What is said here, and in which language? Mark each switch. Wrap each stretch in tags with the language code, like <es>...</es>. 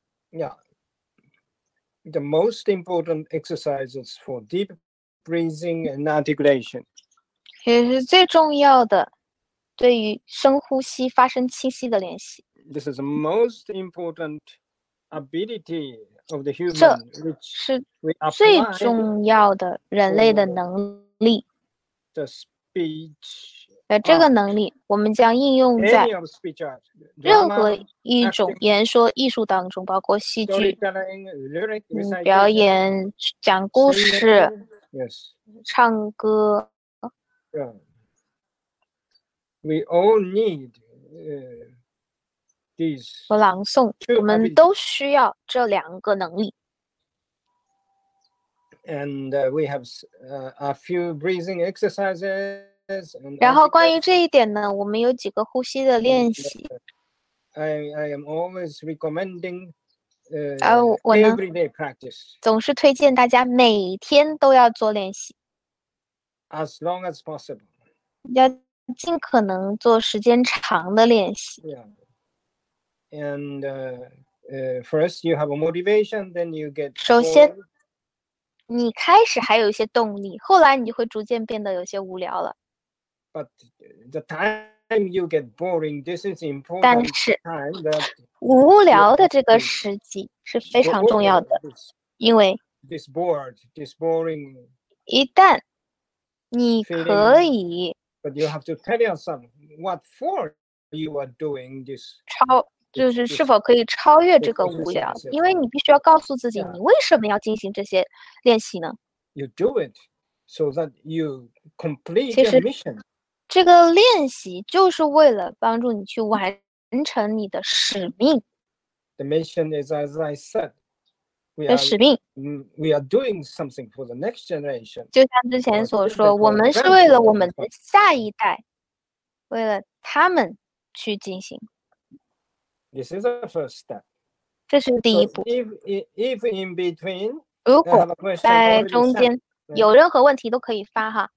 <en>Yeah, the most important exercises for deep breathing and articulation.</en> <zh>也是最重要的，对于深呼吸、发声清晰的练习。</zh> <en>This is the most important ability of the human, which</en> <zh>is 最重要的人类的能力。</zh> <en>The speech</en> <zh>这个能力我们将应用在任何一种演说艺术当中，包括戏剧、表演、讲故事、唱歌。</zh> <en>We all need these.</en> <zh>朗诵，我们都需要这两个能力。</zh> <en>And we have a few breathing exercises.</en> <zh>然后关于这一点呢，我们有几个呼吸的练习。</zh> <en>I am always recommending every day practice.</en> <zh>总是推荐大家每天都要做练习。</zh> <en>As long as possible.</en> <zh>要尽可能做时间长的练习。</zh> <en>Yeah. And first you have a motivation, then you get.</en> <zh>首先。你开始还有一些动力，后来你会逐渐变得有些无聊了。</zh> <en>But the time you get boring, this is important.</en> <zh>但是无聊的这个时机是非常重要的，因为</zh> <en>this boring.</en> <zh>一旦你可以</zh> <en>，But you have to tell yourself what for you are doing this.</en> <zh>就是是否可以超越这个无聊，因为你必须要告诉自己你为什么要进行这些练习呢？</zh> <en>You do it so that you complete the mission.</en> <zh>其实这个练习就是为了帮助你去完成你的使命。</zh> <en>The mission is as I said, we are doing something for the next generation.</en> <zh>就像之前所说，我们是为了我们的下一代，为了他们去进行。</zh> <en>This is the first step.</en> <zh>这是第一步。</zh> <en>If in between,</en> <zh>如果在中间有任何问题都可以发哈。</zh>